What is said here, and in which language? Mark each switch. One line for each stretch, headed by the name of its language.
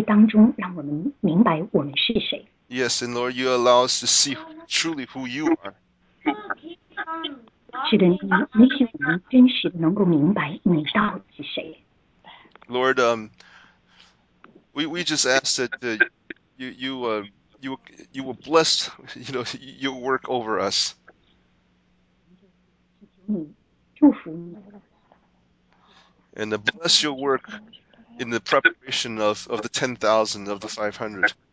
Chinese: 你把我们带到一个地步，让我们觉得一个好像感觉到一个最大的冒犯，但是你却真实的在这当中让我们明白我们是谁。Yes,
English: and Lord, you allow us to see truly who you are.
Chinese: 是的，你使我们真实的能够明白你到底是谁。Lord,
English: we just ask that you will bless your work over us.
Chinese: 祝福你。
English: And bless your work in the preparation of the 10,000 of the 500.